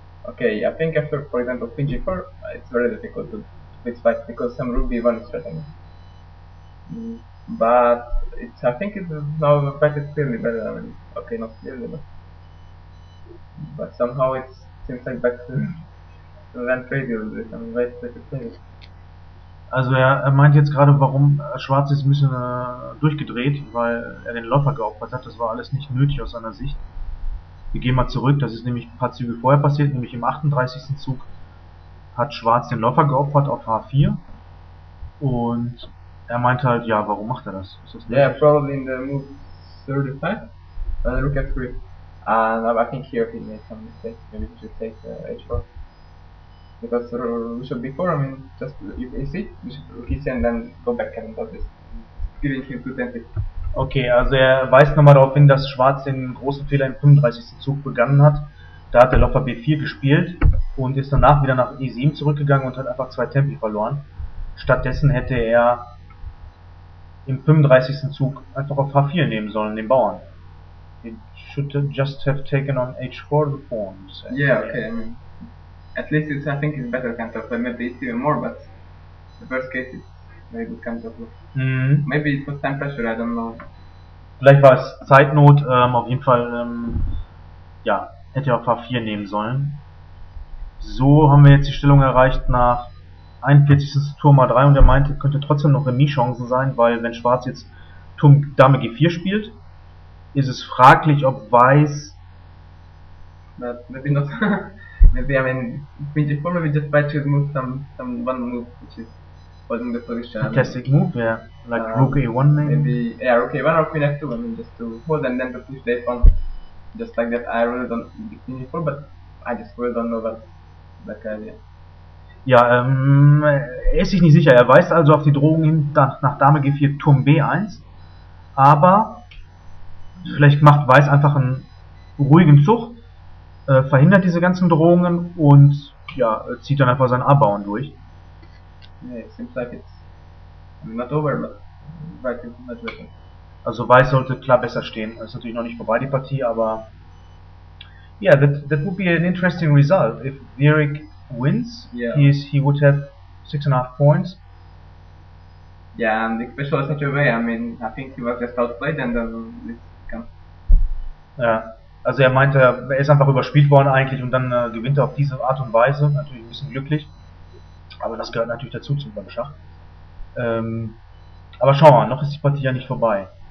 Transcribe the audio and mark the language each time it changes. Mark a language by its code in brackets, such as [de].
[en] Okay, I think after, for example, queen g4, it's very difficult to beat fight because some rook b1 is threatening. But it's, I think it's now the fight is clearly better. I mean, okay, not clearly, but somehow it seems like back to then crazy a little bit. I mean, why is it crazy? [de] Also, er meint jetzt gerade, warum Schwarz ist ein bisschen durchgedreht, weil er den Läufer geopfert hat. Das war alles nicht nötig aus seiner Sicht. Wir gehen mal zurück. Das ist nämlich ein paar Züge vorher passiert, nämlich im 38. Zug hat Schwarz den Läufer geopfert auf H4. Und er meint halt, ja, warum macht er das? Ist das nötig? [en] Yeah, probably in the move 35, when Rook F3. And I think here he made some mistakes. Maybe he should take H4. Because Bishop B4, I mean, just you see, Bishop E6 and then go back and do this. Giving him too tempted. [de] Okay, also er weist nochmal darauf hin, dass Schwarz den großen Fehler im 35. Zug begangen hat. Da hat der Läufer B4 gespielt und ist danach wieder nach E7 zurückgegangen und hat einfach zwei Tempi verloren. Stattdessen hätte er im 35. Zug einfach auf H4 nehmen sollen, den Bauern. [en] He should just have taken on H4 the pawn. Yeah, okay. At least it's, I think it's better counter play. Maybe it's even more, but the first case is very good counter play. Maybe it was time pressure, I don't know. [de] Vielleicht war es Zeitnot, auf jeden Fall, ja, hätte er auf H4 nehmen sollen. So haben wir jetzt die Stellung erreicht nach 41. Turm A3 und er meinte, könnte trotzdem noch Remis-Chancen sein, weil wenn Schwarz jetzt Turm Dame G4 spielt, ist es fraglich, ob Weiß. [en] But maybe not. Maybe, I mean, Queen G4, maybe just by choose move some one move which is holding the position. Fantastic move, yeah. Like Rook A1 maybe. Yeah, Rook A1 or Queen F2, I mean, just to hold and then to push the F1. Just like that, I really don't think Queen G4, but I just really don't know about that idea. [de] Ja, er ist sich nicht sicher. Er weist also auf die Drohung hin nach Dame G4 Turm B1. Aber vielleicht macht Weiß einfach einen ruhigen Zug, verhindert diese ganzen Drohungen und ja, zieht dann einfach seinen A-Bauern durch. Nee, it seems like it's not over, but right is not working. Also Weiß sollte klar besser stehen. Ist natürlich noch nicht vorbei, die Partie, aber [en] yeah, that would be an interesting result. If Viereck wins, yeah. he would have 6.5 points. Yeah, and especially in such a way, I mean, I think he was just outplayed and then it comes. [de] Ja, also er meinte, er ist einfach überspielt worden eigentlich und dann gewinnt er auf diese Art und Weise, natürlich ein bisschen glücklich. Aber das gehört natürlich dazu zum Schach. Aber schauen wir mal, noch ist die Partie ja nicht vorbei.